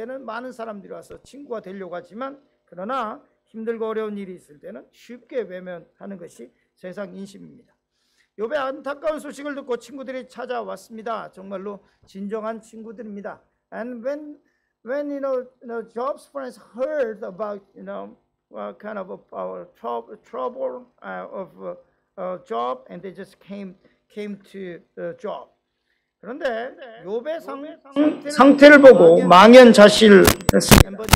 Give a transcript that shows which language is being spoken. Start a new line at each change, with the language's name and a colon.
Korean: 많은 사람들이 와서 친구가 되려고 하지만 그러나 힘들고 어려운 일이 있을 때는 쉽게 외면하는 것이 세상 인심입니다. 요배 안타까운 소식을 듣고 친구들이 찾아왔습니다. 정말로 진정한 친구들입니다.
English: And when you know Job's friends heard about you know what kind of our trouble of Job, and they just came to Job.
Korean: 그런데 요배 상태를 보고 망연자실했습니다.